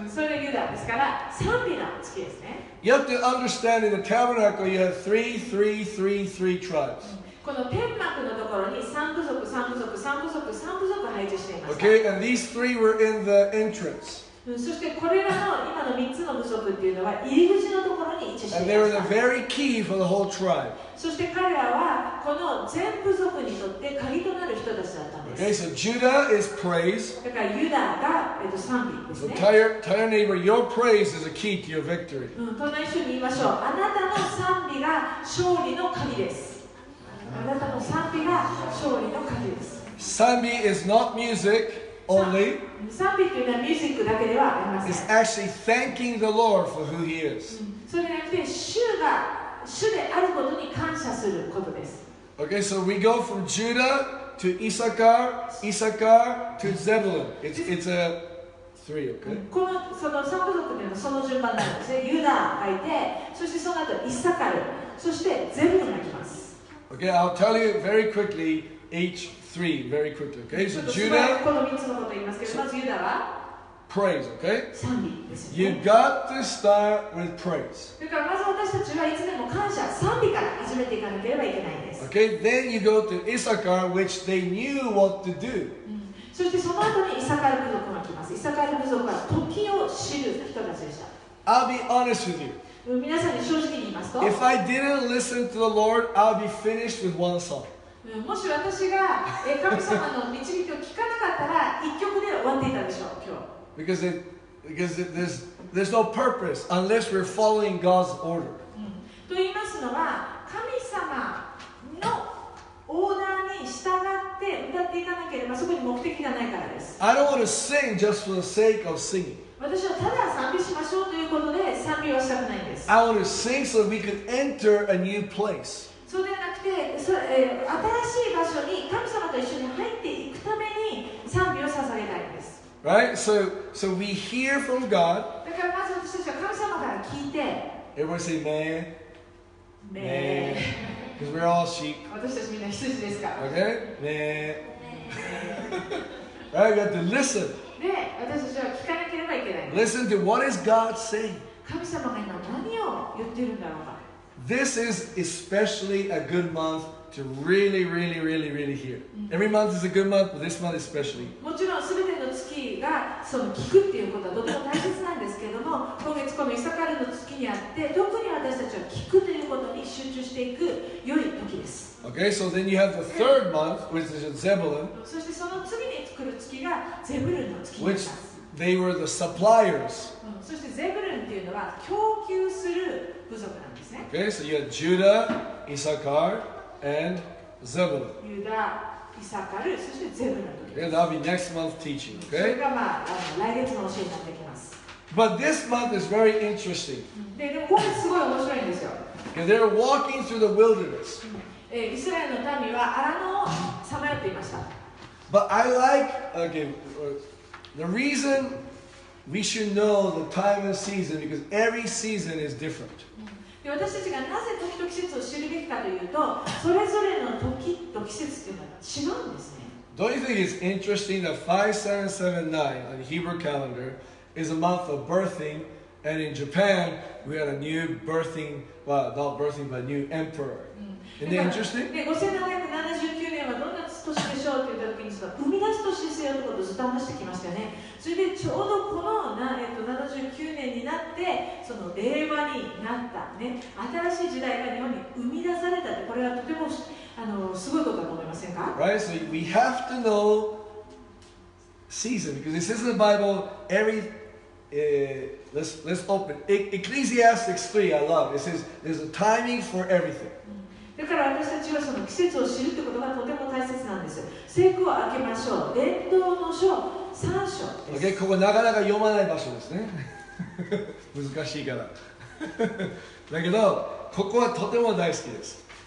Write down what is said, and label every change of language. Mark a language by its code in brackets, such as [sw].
[ja] それユダですから賛美の月ですね。 [en] You have to understand in the tabernacle you have 3 tribes. [ja] この天幕のところに三部族配置しています。 [en] Okay, and these three were in the entrance. [ja] そしてこれらの今の3つの部族っていうのは入り口のところに位置しています。 [en] And they were the very key for the whole tribe. [ja] そして彼らはこの全部族にとって鍵となる人たちだったんです。 [en] Okay, so Judah is praise. [ja] だからユダが賛美ですね。 [en] So tell your neighbor, your praise is a key to your victory. [ja] 隣の人に言いましょう。あなたの賛美が勝利の鍵です。あなたの賛美が勝利の鍵です。 [en] 賛美 is not music only. [ja] 賛美というのはミュージックだけではありません。 [en] It's actually thanking the Lord for who He is. [ja] それによって主であることに感謝することです。 [en] Okay, so we go from Judah to Issachar, Issachar to Zebulun. It's a three, okay? [ja] この、その三部族というのはその順番なんですね。ユダがいて、そしてその後イサカル、そしてゼブルンがきます。 [en] Okay, I'll tell you very quickly each three, very quickly, okay? So Judah, [ja] この三つのことを言いますけど、まずユダは、 [en] Praise, okay? [ja] 賛美ですね。 [en] You've got to start with praise. [ja] だからまず私たちはいつでも感謝、賛美から始めていかなければいけないんです。 [en] Okay, then you go to Issachar, which they knew what to do. [ja] そしてその後にイサカル部族が来ます。イサカル部族は時を知る人たちでした。 [en] I'll be honest with you. [ja] 皆さんに正直に言いますと、 [en] If I didn't listen to the Lord, I'll be finished with one song. [ja] もし私が神様の導きを聞かなかったら、一曲で終わっていたでしょう、今日。 [en] Because there's no purpose unless we're following God's order. [ja] と言いますのは、神様のオーダーに従って歌っていかなければ、そこに目的がないからです。 [en] I don't want to sing just for the sake of singing. [ja] 私はただ賛美しましょうということで賛美はしたくないんです。 [en] I want to sing so we can enter a new place. [ja] そうではなくて、新しい場所に神様と一緒に入っていくために賛美を捧げたいんです。 [en] Right? So we hear from God. [ja] だからまず私たちは神様から聞いて。 [en] Everybody say man. Man. Because we're all sheep. [ja] 私たちみんな羊ですから。 [en] Okay? Man. Right? We have to listen. [ja] で私たちは聞かなければいけない。 [en] Listen to what is God saying. [ja] 神様が今何を言ってるんだろうか。 [en] This is especially a good month to really, really, really, really hear. Every month is a good month, but this month especially. [ja] もちろん全ての月がその聞くっていうことはとても大切なんですけれども、今月このイサカルの月にあって、特に私たちは聞くということに集中していく良い時です。 [en] Okay, so then you have the third month, which is Zebulun. [ja] そしてその次に来る月がゼブルンの月です。 [en] Which they were the suppliers. [ja] そしてゼブルンっていうのは供給する部族なんですね。 [en] Okay, so you have Judah, Issachar, and Zebulun. [ja] ユダ、イサカル、そしてゼブルンの月です。 [en] Yeah, that'll be next month teaching. Okay. [ja] それがまあ来月の教えになってきます。 [en] But this month is very interesting. [ja] でもこれすごい面白いんですよ。 [en] And they're walking through the wilderness. [ja] イスラエルの民はアラノをさまよっていました。 [en] But I like, okay, the reason we should know the time and season because every season is different. [ja] 私たちがなぜ時と季節を知るべきかというと、それぞれの時と季節というのは違うんですね。 [en] Don't you think it's interesting that 5779 on the Hebrew calendar is a month of birthing, and in Japan we had a new birthing, well, not birthing, but a new emperor. Isn't that interesting? [ja] 5779年はどんな年でしょうって言った時に、生み出す年ですよということをずっと話してきましたよね。それでちょうどこの79年になって、その令和になった、ね、新しい時代が日本に生み出されたって、これはとてもすごいことだと思いませんか？ [en] Right, so we have to know season, because it says in the Bible, let's open, Ecclesiastes 3, I love, it says, there's a timing for everything. [ja] だから私たちはその季節を知るってことがとても大切なんです。聖句を開けましょう。伝道の書3章です。 Okay, ここなかなか読まない場所ですね。難しいから。だけど、ここはとても大好きです。